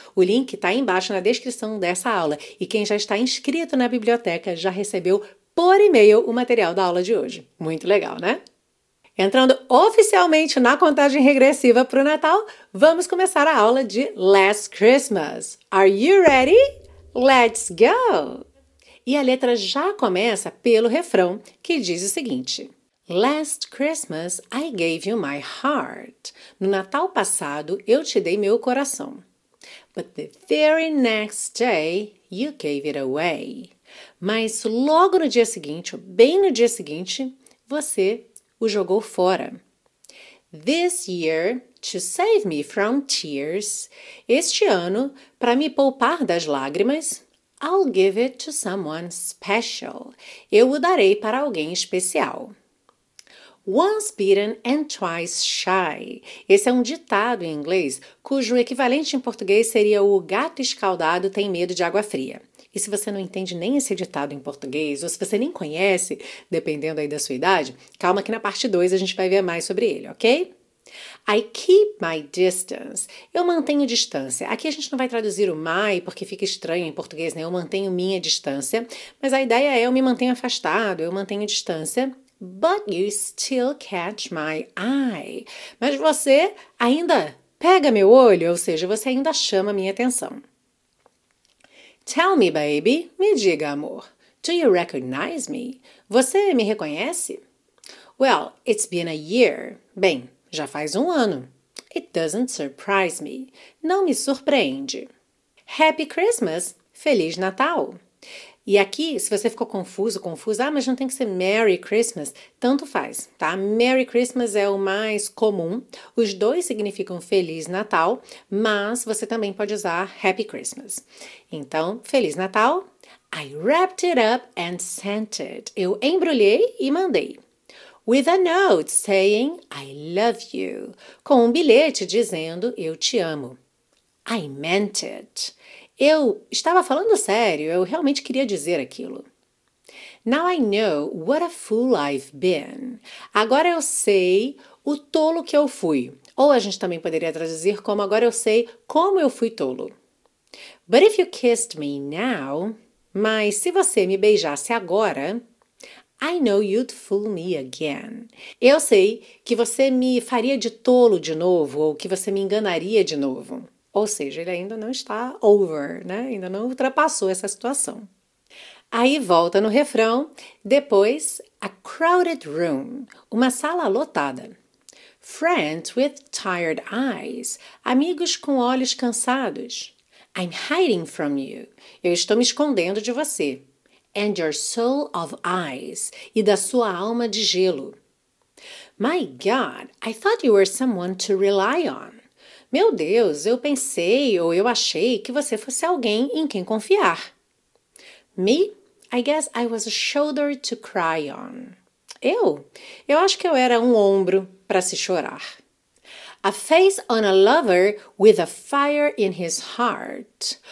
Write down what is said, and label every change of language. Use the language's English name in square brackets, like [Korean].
[Portuguese] O link está aí embaixo na descrição dessa aula e quem já está inscrito na biblioteca já recebeu por e-mail o material da aula de hoje. Muito legal, né? Entrando oficialmente na contagem regressiva para o Natal, vamos começar a aula de Last Christmas. [English] Are you ready? Let's go! [Portuguese] E a letra já começa pelo refrão, que diz o seguinte. [English] Last Christmas, I gave you my heart. [Portuguese] No Natal passado, eu te dei meu coração. [English] But the very next day, you gave it away. [Portuguese] Mas logo no dia seguinte, ou bem no dia seguinte, você o jogou fora. [English] This year, to save me from tears, [Portuguese] este ano, para me poupar das lágrimas, [English] I'll give it to someone special. [Portuguese] Eu o darei para alguém especial. [English] Once bitten and twice shy. [Portuguese] Esse é um ditado em inglês, cujo equivalente em português seria o gato escaldado tem medo de água fria. E se você não entende nem esse ditado em português, ou se você nem conhece, dependendo aí da sua idade, calma que na parte 2 a gente vai ver mais sobre ele, ok? [English] I keep my distance. [Portuguese] Eu mantenho distância. Aqui a gente não vai traduzir o my porque fica estranho em português, né? Eu mantenho minha distância. Mas a ideia é eu me mantenho afastado, eu mantenho distância. [English] But you still catch my eye. [Portuguese] Mas você ainda pega meu olho, ou seja, você ainda chama minha atenção. [English] Tell me, baby, [Portuguese] me diga, amor, [English] do you recognize me? [Portuguese] Você me reconhece? [English] Well, it's been a year. [Portuguese] Bem, já faz um ano. [English] It doesn't surprise me. [Portuguese] Não me surpreende. [English] Happy Christmas, [Portuguese] Feliz Natal. E aqui, se você ficou confuso, confusa, mas não tem que ser Merry Christmas, tanto faz, tá? Merry Christmas é o mais comum, os dois significam Feliz Natal, mas você também pode usar Happy Christmas. Então, Feliz Natal. [English] I wrapped it up and sent it. [Portuguese] Eu embrulhei e mandei. [English] With a note saying, I love you. [Portuguese] Com um bilhete dizendo, eu te amo. [English] I meant it. [Portuguese] Eu estava falando sério, eu realmente queria dizer aquilo. [English] Now I know what a fool I've been. [Portuguese] Agora eu sei o tolo que eu fui. Ou a gente também poderia traduzir como agora eu sei como eu fui tolo. [English] But if you kissed me now, [Portuguese] mas se você me beijasse agora, [English] I know you'd fool me again. [Portuguese] Eu sei que você me faria de tolo de novo ou que você me enganaria de novo. Ou seja, ele ainda não está over, né? Ainda não ultrapassou essa situação. Aí volta no refrão, depois [English] a crowded room, [Portuguese] uma sala lotada. [English] Friends with tired eyes, [Portuguese] amigos com olhos cansados. [English] I'm hiding from you, [Portuguese] eu estou me escondendo de você. [English] And your soul of ice, [Portuguese] e da sua alma de gelo. [English] My God, I thought you were someone to rely on. [Portuguese] Meu Deus, eu pensei ou eu achei que você fosse alguém em quem confiar. [English] Me? I guess I was a shoulder to cry on. [Portuguese] Eu? Eu acho que eu era um ombro para se chorar. [English] A face on a lover with a fire in his heart.